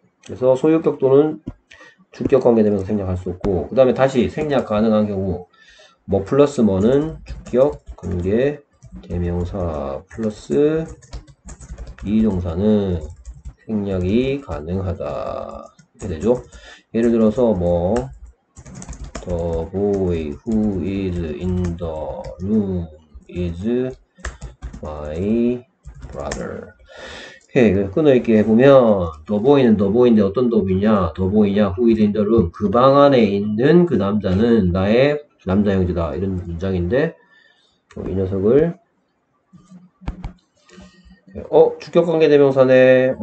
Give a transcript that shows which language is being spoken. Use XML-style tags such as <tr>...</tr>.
<ko>그래서 소유격 또는 주격 관계대명사 생략할 수 없고, 그 다음에 다시 생략 가능한 경우, 뭐 플러스 뭐는 주격 관계 대명사 플러스 비동사는 생략이 가능하다. 이렇게 되죠. 예를 들어서 뭐,</ko> <en>The boy who is in the room is my brother.</en> <ko>오케이, 끊어있게 해보면 더 보이는 더 보이인데 어떤 더 보이냐? 더 보이냐?</ko> <en>Who is in the room?</en> <ko>그방 안에 있는 그 남자는 나의 남자 형제다. 이런 문장인데 뭐이 녀석을 주격 관계대명사네.</ko>